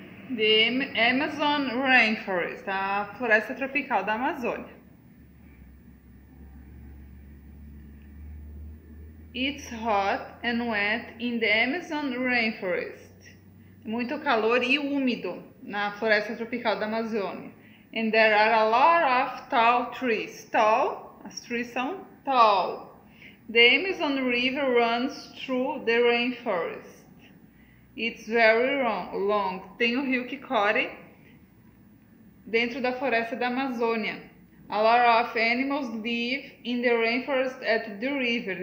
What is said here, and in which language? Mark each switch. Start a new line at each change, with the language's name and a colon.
English: The Amazon rainforest,
Portuguese: a floresta tropical da Amazônia.
English: It's hot and wet in the Amazon rainforest.
Portuguese: muito calor e úmido na floresta tropical da Amazônia.
English: And there are a lot of tall trees. Tall, as trees são tall. The Amazon River runs through the rainforest. It's very long.
Portuguese: Tem um rio que corre dentro da floresta da Amazônia.
English: A lot of animals live in the rainforest at the river.